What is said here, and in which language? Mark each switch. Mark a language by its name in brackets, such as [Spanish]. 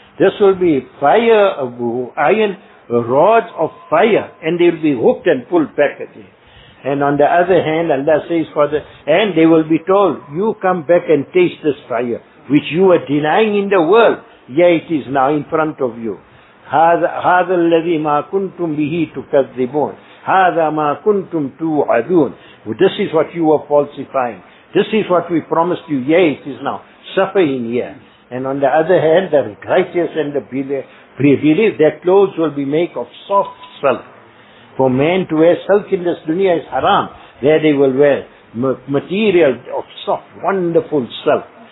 [English] This will be fire, iron rods of fire, and they will be hooked and pulled back again. And on the other hand, Allah says, and they will be told, you come back and taste this fire, which you were denying in the world. Yeah, it is now in front of you. [Arabic] هَذَا الَّذِي مَا كُنْتُمْ بِهِ تُكَذِّبُونَ هَذَا مَا كُنْتُمْ تُوْعَدُونَ [English] This is what you were falsifying. This is what we promised you. Yeah, it is now. Suffer in here. And on the other hand, the righteous and the believe, their clothes will be made of soft silk. For men to wear silk in this dunya is haram. There they will wear material of soft, wonderful silk.